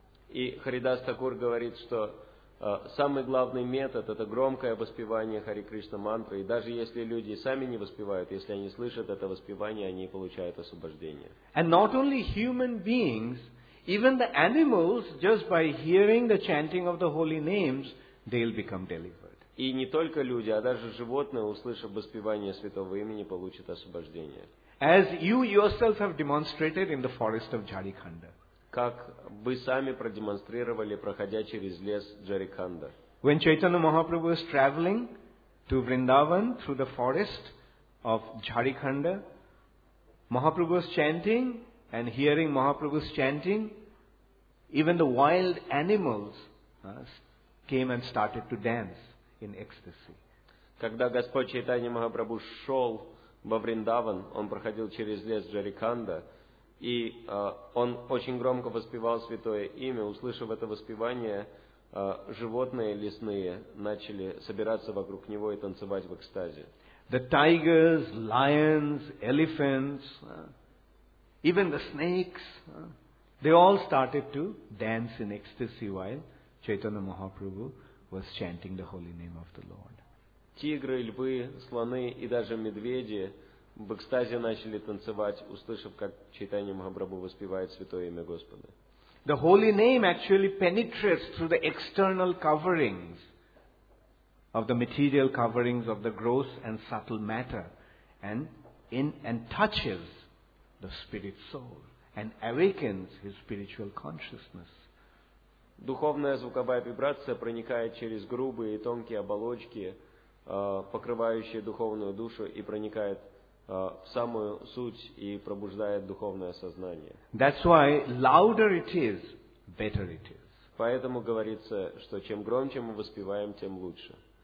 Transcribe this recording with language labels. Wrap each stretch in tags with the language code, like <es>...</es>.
<ru>И Харидас Такур говорит, что самый главный метод – это громкое воспевание Хари Кришна Мантры. И даже если люди сами не воспевают, если они слышат это воспевание, они получают освобождение.</ru> <en>And not only human beings, even the animals, just by hearing the chanting of the holy names, they'll become delivered.</en> <ru>И не только люди, а даже животные, услышав воспевание святого имени, получат освобождение.</ru> <en>As you yourself have demonstrated in the forest of Jharkhand.</en> <ru>Как вы сами продемонстрировали, проходя через лес Джарикханда.</ru> <en>When Chaitanya Mahaprabhu was traveling to Vrindavan through the forest of Jharkhanda, Mahaprabhu was chanting, and hearing Mahaprabhu's chanting, even the wild animals came and started to dance. In ecstasy.</en> <ru>Когда Господь Чайтанья Махапрабху шел во Вриндаван, он проходил через лес Джариканда, и он очень громко воспевал святое имя. Услышав это воспевание, животные лесные начали собираться вокруг него и танцевать в экстазе.</ru> <en>The tigers, lions, elephants, even the snakes, they all started to dance in ecstasy while Chaitanya Mahaprabhu was chanting the holy name of the Lord.</en> <ru>Тигры, львы, слоны и даже медведи в экстазе начали танцевать, услышав, как Чайтанья Махапрабху воспевает святое имя Господа.</ru> <en>The holy name actually penetrates through the external coverings of the material coverings of the gross and subtle matter and touches the spirit soul and awakens his spiritual consciousness.</en> <ru>Духовная звуковая вибрация проникает через грубые и тонкие оболочки, покрывающие духовную душу, и проникает в самую суть и пробуждает духовное сознание.</ru> <en>That's why louder it is, better it is.</en> <ru>Поэтому говорится, что чем громче мы воспеваем, тем лучше.</ru>